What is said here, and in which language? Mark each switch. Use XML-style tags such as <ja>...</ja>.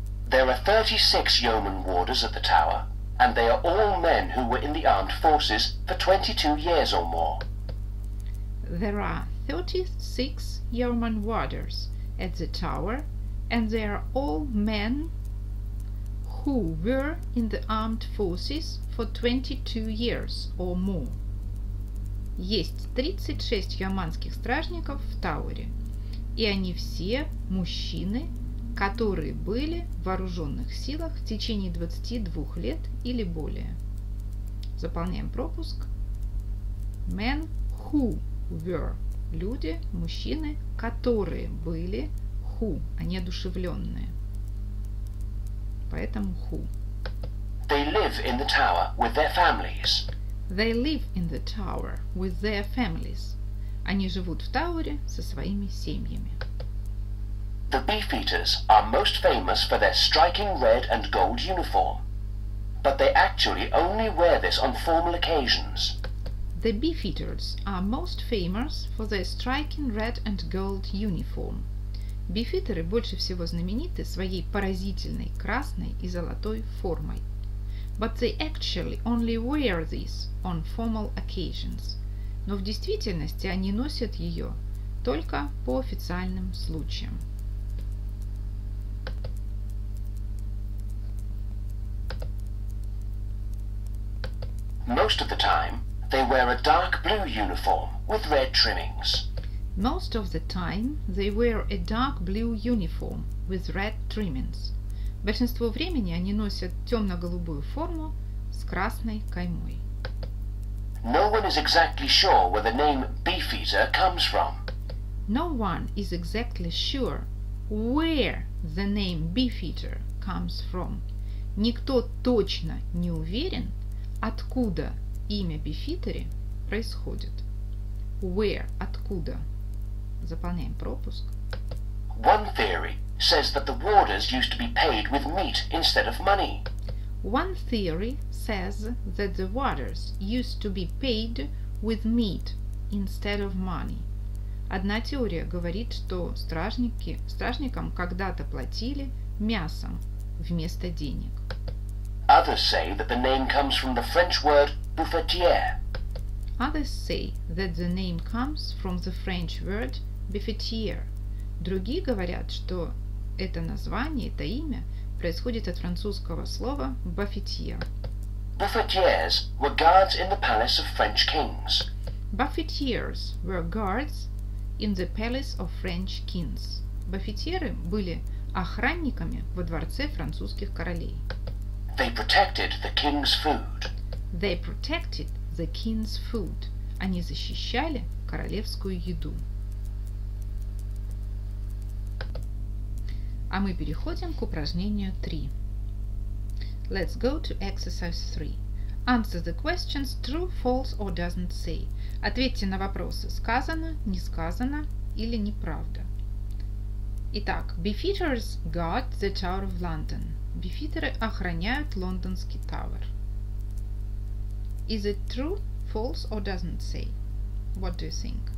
<en>There are 36 yeoman warders at the tower, and they are all men who were in the armed forces for 22 years or more. There are 36 yeoman warders at the tower, and they are all men who were in the armed forces for 22 years or more.</en> <ru>Есть 36 яманских стражников в Тауэре, и они все мужчины, которые были в вооруженных силах в течение 22 лет или более. Заполняем пропуск.</ru> <en>Men who were.</en> <ru>Люди, мужчины, которые были. Who. Они одушевленные. Поэтому who.</ru> <en>They live in the tower with their families. They live in the tower with their families.</en> <ru>Они живут в Тауэре со своими семьями.</ru> <en>The Beefeaters are most famous for their striking red and gold uniform, but they actually only wear this on formal occasions. The Beefeaters are most famous for their striking red and gold uniform.</en> <ru>Beefeaters больше всего знамениты своей поразительной красной и золотой формой.</ru> <en>But they actually only wear this on formal occasions.</en> <ru>Но в действительности они носят ее только по официальным случаям.</ru> <en>Most of the time, they wear a dark blue uniform with red trimmings. Most of the time, they wear a dark blue uniform with red trimmings.</en> <ru>Большинство времени они носят темно-голубую форму с красной каймой.</ru> <en>No one is exactly sure where the name Beefeater comes from. No one is exactly sure where the name Beefeater comes from.</en> <ru>Никто точно не уверен, откуда имя Beefeater происходит. Where – откуда. Заполняем пропуск.</ru> <en>One theory says that the warders used to be paid with meat instead of money. One theory says that the warders used to be paid with meat instead of money.</en> <ru>Одна теория говорит, что стражникам когда-то платили мясом вместо денег.</ru> <en>Others say that the name comes from the French word buffetier. Others say that the name comes from the French word buffetier.</en> <ru>Другие говорят, что это название, это имя происходит от французского слова buffetier.</ru> <en>Buffetiers were guards in the palace of French kings. Buffetiers were guards in the palace of French kings.</en> <ru>Буфетьеры были охранниками во дворце французских королей.</ru> <en>They protected the king's food. They protected the king's food.</en> <ru>Они защищали королевскую еду. А мы переходим к упражнению 3.</ru> <en>Let's go to exercise 3. Answer the questions true, false or doesn't say.</en> <ru>Ответьте на вопросы сказано, не сказано или неправда.</ru> <en>Итак, Beefeaters guard the Tower of London. Beefeaters</en> <ru>охраняют лондонский Тауэр.</ru> <en>Is it true, false or doesn't say? What do you think?</en>